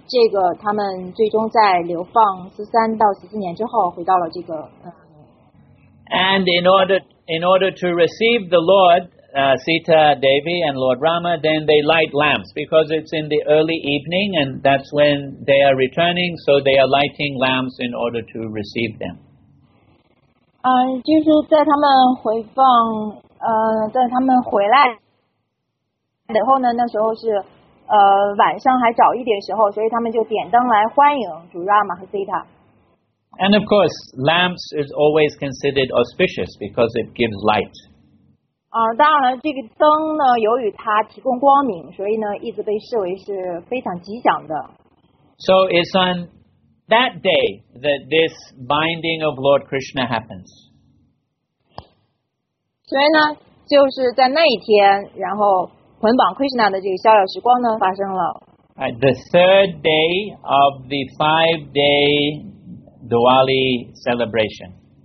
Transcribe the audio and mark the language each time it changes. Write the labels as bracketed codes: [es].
[zh] 这个他们最终在流放13到14年之后，回到了这个。 [en] And in order to receive the Lord, Sita Devi and Lord Rama, then they light lamps because it's in the early evening and that's when they are returning, so they are lighting lamps in order to receive them. [zh] 就是在他们回放在他们回来以后呢，那时候是晚上还早一点时候，所以他们就点灯来欢迎主 Rama 和 Sita。 [en] And of course, lamps is always considered auspicious because it gives light. [zh] 当然这个灯呢，由于它提供光明，所以呢，一直被视为是非常吉祥的。 [en] So it's on that day that this binding of Lord Krishna happens. [zh] 所以呢，就是在那一天，然后捆绑 Krishna 的这个逍遥时光呢，发生了。 [en] The third day of the 5 day Diwali celebration.